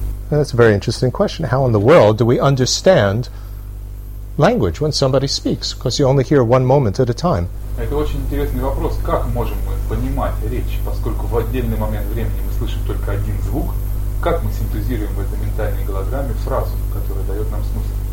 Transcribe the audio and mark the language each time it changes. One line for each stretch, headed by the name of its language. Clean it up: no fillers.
English: And that's a very interesting question. How in the world do we understand language when somebody speaks? Because you only hear one moment at a time.
Russian: Это очень интересный вопрос. Как можем мы понимать речь, поскольку в отдельный момент времени мы слышим только один звук? Как мы синтезируем в этой ментальной голограмме фразу, которая дает нам смысл?